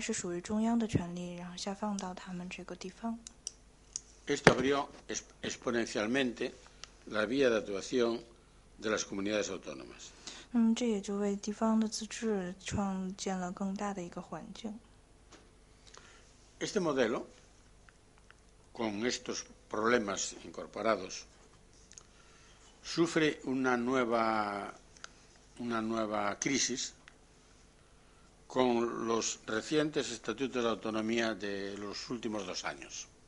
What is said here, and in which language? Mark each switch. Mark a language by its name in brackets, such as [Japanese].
[Chinese] 那么在这个第152条的这第二款当中呢，就允许地方政府去申请或者说去提出一些原来是属于中央的权利，然后下放到他们这个地方。 [Spanish] Esto abrió exponencialmente la vía de actuación de las comunidades autónomas. [Chinese] 那么这也就为地方的自治创建了更大的一个环境。 [Spanish] Este modelo, con estos problemas incorporados, sufre una nueva crisis con los recientes estatutos de autonomía de los últimos dos años.